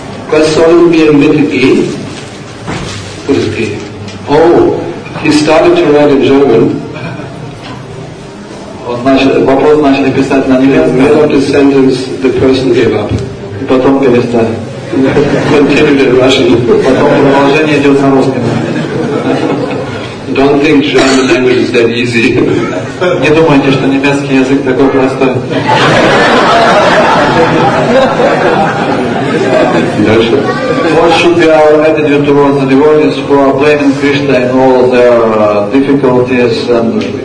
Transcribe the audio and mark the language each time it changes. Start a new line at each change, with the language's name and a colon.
German: Was sollen wir mit G?
English: What is G? Oh, he started to write in German.
Russian: Вопрос начали писать на немецком.
English: Middle of the sentence, the person gave up.
Russian: И потом перестали.
English: Continued in Russian.
Russian: Потом продолжение идет на русском.
English: Don't think German language is that easy.
Russian: Не думайте, что немецкий язык такой простой.
English: What should be our attitude towards the devotees who are blaming Krishna in all their difficulties and what